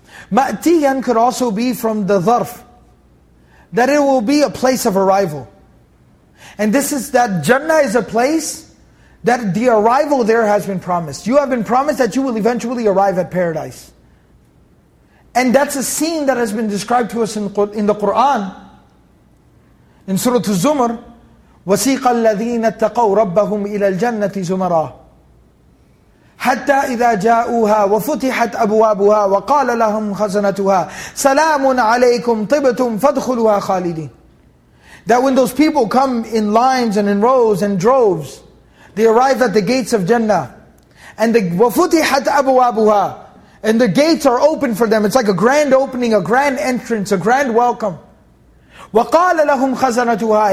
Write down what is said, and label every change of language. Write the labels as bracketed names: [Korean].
[English] Ma'tiyan could also be from the dharf. That it will be a place of arrival. And this is that Jannah is a place that the arrival there has been promised. You have been promised that you will eventually arrive at Paradise. And that's a scene that has been described to us in the Qur'an. [Arabic] In Surah Az-Zumar, وَسِيقَ الَّذِينَ اتَّقَوْا رَبَّهُمْ إِلَى الْجَنَّةِ زُمَرًا حَتَّى إِذَا جَاءُوهَا وَفُتِحَتْ أَبْوَابُهَا وَقَالَ لَهُمْ خَزَنَتُهَا سَلَامٌ عَلَيْكُمْ طِبْتُمْ فَادْخُلُوهَا خَالِدِينَ. [English] That when those people come in lines and in rows and droves, they arrive at the gates of Jannah. And the [Arabic] وَفُتِحَتْ أَبْوَابُهَا. [English] And the gates are open for them. It's like a grand opening, a grand entrance, a grand welcome. [Arabic] وَقَالَ لَهُمْ خَزَنَتُهَا.